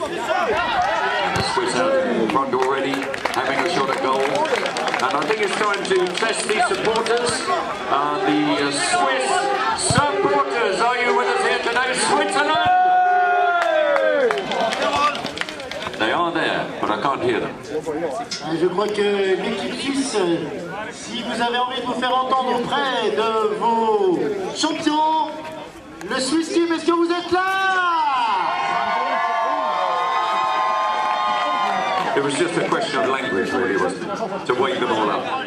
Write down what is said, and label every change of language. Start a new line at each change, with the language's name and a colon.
English: And the Swiss are in front already, having a shot at goal. And I think it's time to test the supporters. The Swiss supporters, are you with us here today? Switzerland! They are there, but I can't hear them.
French: Je crois que l'équipe suisse, si vous avez envie de vous faire entendre auprès de vos champions, le Swiss team, est-ce que vous êtes là?
English: It was just a question of language, really, wasn't it? To wake them all up.